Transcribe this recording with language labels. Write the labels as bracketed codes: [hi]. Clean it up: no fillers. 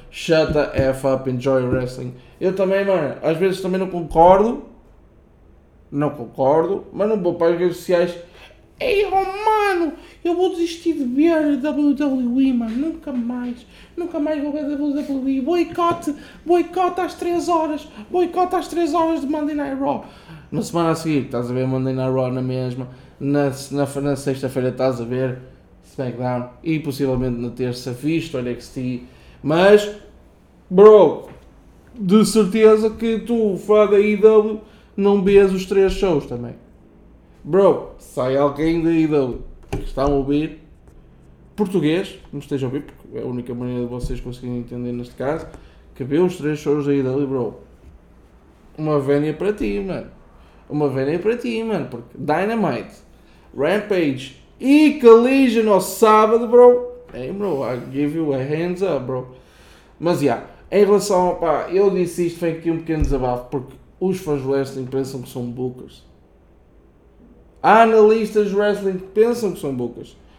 [en] Shut the F up, enjoy wrestling. [pt] Eu também, mano, às vezes também não concordo. Não concordo, mas não vou para as redes sociais. Ei, oh, mano, eu vou desistir de ver a WWE, mano. Nunca mais. Nunca mais vou ver a WWE. Boicote. Boicote às 3 horas. Boicote às 3 horas de Monday Night Raw. Na semana a seguir, estás a ver Monday Night Raw na mesma. Na sexta-feira estás a ver SmackDown. E possivelmente na terça, visto o NXT. Mas, bro, de certeza que tu, fã da IW, não vês os 3 shows também. Bro, sai alguém da IW que está a ouvir português, não esteja a ouvir, porque é a única maneira de vocês conseguirem entender neste caso, que vê os 3 shows da IW, bro. Uma vénia para ti, mano. Uma vénia para ti, mano. Porque Dynamite, Rampage e Collision ao sábado, bro. [en] Hey, bro, I give you a hands up, bro. [pt] Mas, já, em relação a, pá, eu disse isto, foi aqui um pequeno desabafo, porque os fãs do wrestling pensam que são bookers. Há analistas de wrestling que pensam que são bookers.